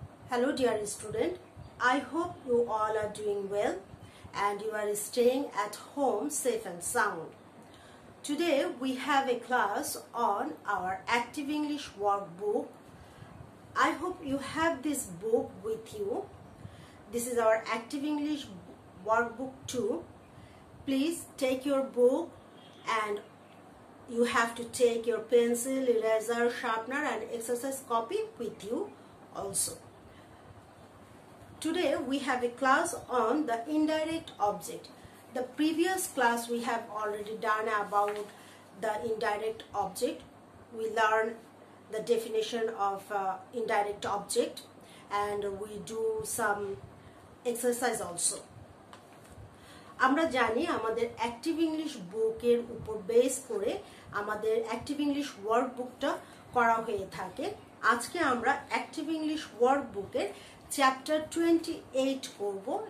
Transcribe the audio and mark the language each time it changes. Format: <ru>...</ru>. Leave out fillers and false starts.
<en>Hello dear student, I hope you all are doing well and you are staying at home safe and sound. Today we have a class on our active English workbook. I hope you have this book with you. This is our Active English Workbook 2. Please take your book and you have to take your pencil, eraser, sharpener and exercise copy with you also. Today we have a class on the indirect object. The previous class we have already done about the indirect object. We learn the definition of indirect object and we do some exercise also.</en> <bn>আমরা জানি আমাদের active English বুকের উপর base করে আমাদের active English ওয়ার্কবুকটা করা হয়ে থাকে। আজকে আমরা অ্যাক্টিভ ইংলিশ ওয়ার্কবুকের চ্যাপ্টার 28 করব।</bn>